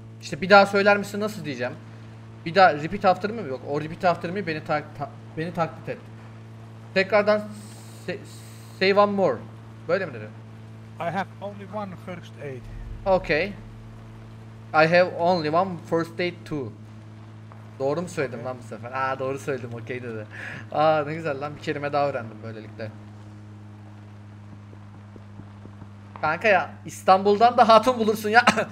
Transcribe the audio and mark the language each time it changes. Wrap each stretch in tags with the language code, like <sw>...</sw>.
<tr>İşte bir daha söyler misin, nasıl diyeceğim? Bir daha</tr> <en>repeat after</en> <tr>mı yok? O repeat after mi, beni taklit et. Tekrardan</tr> <en>say one more.</en> <tr>Böyle mi dedi?</tr> <en>I have only one first aid. Okay. I have only one first aid too.</en> <tr>Doğru mu söyledim lan bu sefer? Aa doğru söyledim, okey dedi. Aa ne güzel lan, bir kelime daha öğrendim böylelikle. Kanka ya, İstanbul'dan da hatun bulursun ya.</tr>